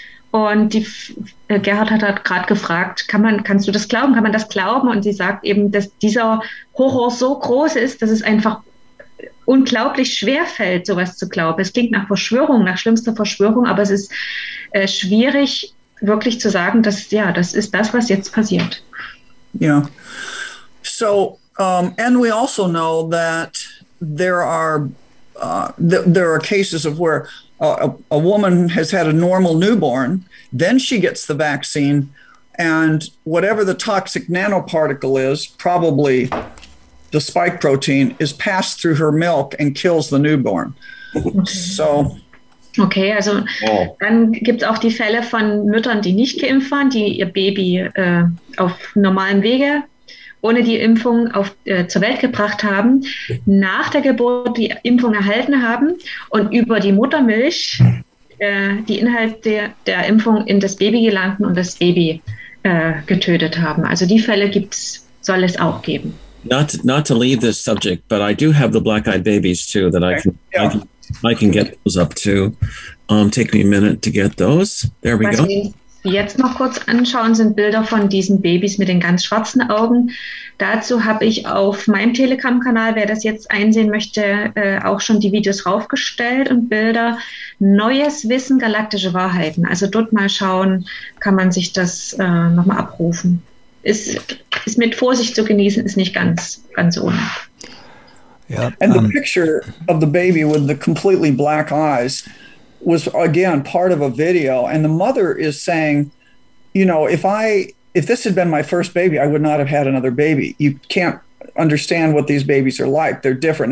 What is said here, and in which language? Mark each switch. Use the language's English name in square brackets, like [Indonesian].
[German] Und die Gerhard hat gerade gefragt, kannst du das glauben? Kann man das glauben? Und sie sagt eben, dass dieser Horror so groß ist, dass es einfach unglaublich schwer fällt, sowas zu glauben. Es klingt nach Verschwörung, nach schlimmster Verschwörung, aber es ist schwierig, wirklich zu sagen, dass ja, das ist das, was jetzt passiert. [English] Yeah. So, and we also know that there are cases of where a woman has had a normal newborn, then she gets the vaccine, and whatever the toxic nanoparticle is, probably the spike protein, is passed through her milk and kills the newborn. So. [German] Okay, also dann gibt es auch die Fälle von Müttern, die nicht geimpft waren, die ihr Baby auf normalem Wege ohne die Impfung zur Welt gebracht haben, nach der Geburt die Impfung erhalten haben und über die Muttermilch die Inhalte der Impfung in das Baby gelangten und das Baby getötet haben. Also die Fälle gibt's, soll es auch geben. [English] Not to leave this subject, but I do have the black-eyed babies too that I can... Yeah. I can get those up too. Take me a minute to get those. There we go. [German] Was wir jetzt noch kurz anschauen, sind Bilder von diesen Babys mit den ganz schwarzen Augen. Dazu habe ich auf meinem Telegram-Kanal, wer das jetzt einsehen möchte, auch schon die Videos raufgestellt und Bilder. Neues Wissen, galaktische Wahrheiten. Also dort mal schauen, kann man sich das nochmal abrufen. Ist mit Vorsicht zu genießen, ist nicht ganz ohne. [English] Yeah, and the picture of the baby with the completely black eyes was, again, part of a video. And the mother is saying, you know, if this had been my first baby, I would not have had another baby. You can't understand what these babies are like. They're different.